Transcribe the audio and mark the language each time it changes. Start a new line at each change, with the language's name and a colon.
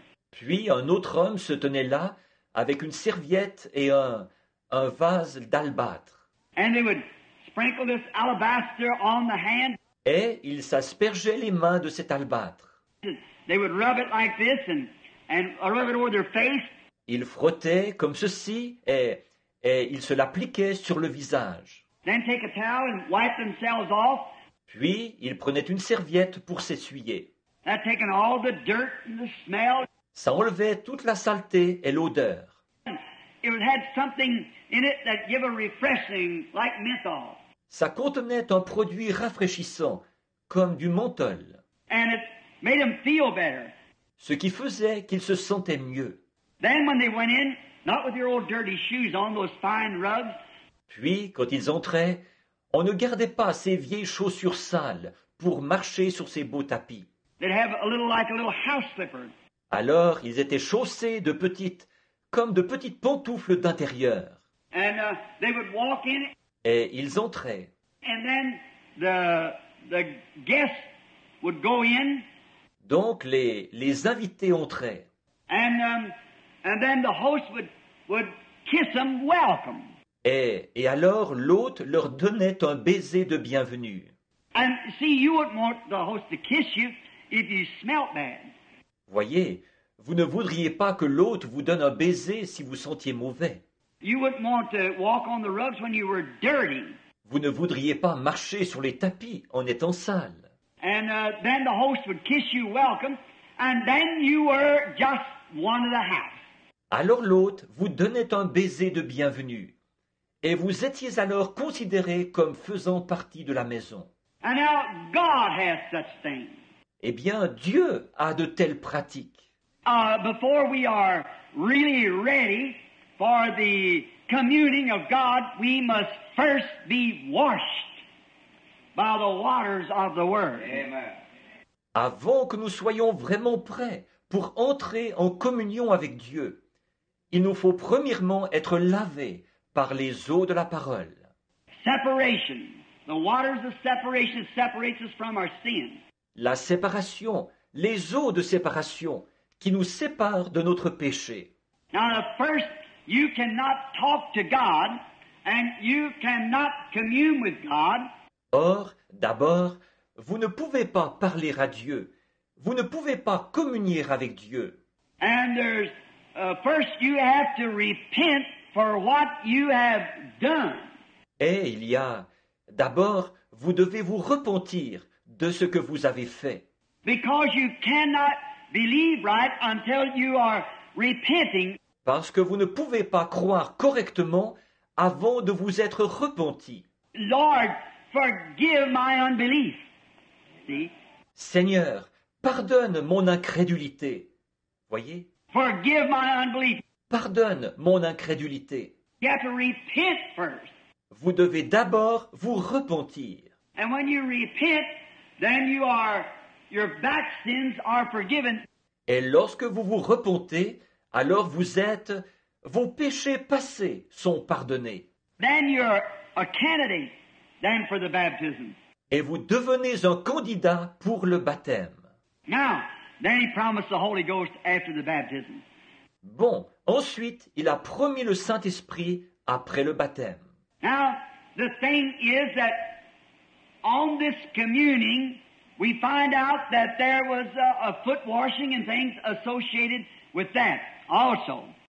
French: Puis un autre homme se tenait là avec une serviette et un vase d'albâtre.
English: And they would sprinkle this alabaster on the hand.
French: Et ils s'aspergeaient les mains de cet albâtre.
English: They would rub it like this and rub it over their face.
French: Ils frottaient comme ceci et il se l'appliquait sur le visage.
English: Then take a towel and wipe themselves off.
French: Puis, il prenait une serviette pour s'essuyer.
English: That taken all the dirt and the smell.
French: Ça enlevait toute la saleté et l'odeur.
English: It had something in it that gave a refreshing, like menthol.
French: Ça contenait un produit rafraîchissant, comme du menthol.
English: And it made them feel better.
French: Ce qui faisait qu'il se sentait mieux.
English: Then when they went in, not with your old dirty shoes on those fine rugs.
French: Puis, quand ils entraient, on ne gardait pas ces vieilles chaussures sales pour marcher sur ces beaux tapis.
English: They'd have a little like a little house slipper.
French: Alors, ils étaient chaussés de petites, comme de petites pantoufles d'intérieur.
English: And they would walk in.
French: Et ils entraient.
English: And then the guests would go in.
French: Donc, les invités entraient.
English: And then the host would kiss them welcome.
French: Et alors l'hôte leur donnait un baiser de bienvenue.
English: And see, you wouldn't want the host to kiss you if you smelled bad.
French: Voyez, vous ne voudriez pas que l'hôte vous donne un baiser si vous sentiez mauvais.
English: You wouldn't want to walk on the rugs when you were dirty.
French: Vous ne voudriez pas marcher sur les tapis en étant sale.
English: And then the host would kiss you welcome, and then you were just one of the house.
French: Alors l'hôte vous donnait un baiser de bienvenue, et vous étiez alors considéré comme faisant partie de la maison.
English: And now God has such things.
French: Eh bien, Dieu a de telles pratiques.
English: Before we are really ready for the communing of God, we must first be washed by the waters of the Word. Amen.
French: Avant que nous soyons vraiment prêts pour entrer en communion avec Dieu, il nous faut premièrement être lavés par les eaux de la parole.
English: Separation. The waters of separation separates us from our sin.
French: La séparation, les eaux de séparation qui nous séparent de notre péché.
English: Now, first, you cannot talk to God and you cannot commune with God.
French: Or, d'abord, vous ne pouvez pas parler à Dieu. Vous ne pouvez pas communier avec Dieu.
English: And there's, first, you have to repent for what you have done.
French: Et il y a, d'abord, vous devez vous repentir de ce que vous avez fait.
English: Because you cannot believe right until you are repenting.
French: Parce que vous ne pouvez pas croire correctement avant de vous être repenti.
English: Lord, forgive my unbelief. See?
French: Seigneur, pardonne mon incrédulité. Voyez?
English: Forgive my unbelief.
French: Pardonne mon incrédulité.
English: You have to repent first.
French: Vous devez d'abord vous repentir.
English: And when you repent, then you are, your back sins are forgiven.
French: Et lorsque vous vous repentez, alors vous êtes, vos péchés passés sont pardonnés.
English: Then you're a candidate then for the baptism.
French: Et vous devenez un candidat pour le baptême.
English: Now, then he promised the Holy Ghost after the baptism.
French: Bon, ensuite, il a promis le Saint-Esprit après le baptême.
English: Now, the thing is that on this communing, we find out that there was a foot washing and things associated with that also.